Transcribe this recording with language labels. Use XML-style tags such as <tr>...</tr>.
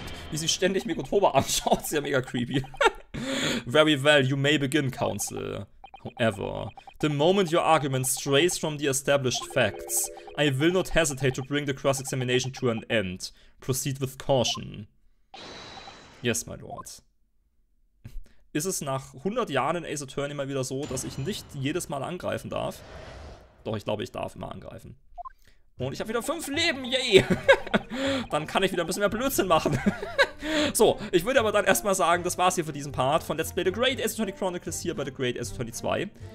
<de>Wie sie ständig Mikotoba anschaut, ist ja mega creepy.</de> <en>Very well, you may begin, counsel. However, the moment your argument strays from the established facts, I will not hesitate to bring the cross-examination to an end. Proceed with caution. Yes, my lord.</en> <de>Ist es nach 100 Jahren in Ace Attorney mal wieder so, dass ich nicht jedes Mal angreifen darf? Doch, ich glaube, ich darf immer angreifen. Und ich habe wieder 5 Leben, yay! Dann kann ich wieder ein bisschen mehr Blödsinn machen. So, ich würde aber dann erstmal sagen, das war's hier für diesen Part von Let's Play The Great Ace Attorney Chronicles hier bei The Great Ace Attorney 2.</de>